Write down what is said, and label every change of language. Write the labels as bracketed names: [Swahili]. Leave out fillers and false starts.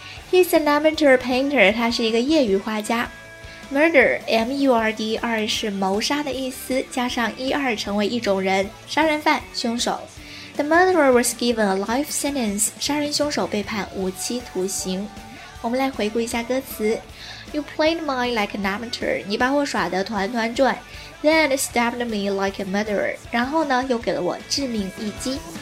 [English] He's an amateur painter, [Chinese] 他是一个业余画家。Murder, M-U-R-D-E-R, 是谋杀的意思，加上 E-R 成为一种人，杀人犯、凶手。 [English] The murderer was given a life sentence. [Chinese] 杀人凶手被判无期徒刑。我们来回顾一下歌词。 [English] You played mine like an amateur. [Chinese] 你把我耍得团团转。 [English] Then stabbed me like a murderer. [Chinese] 然后呢，又给了我致命一击。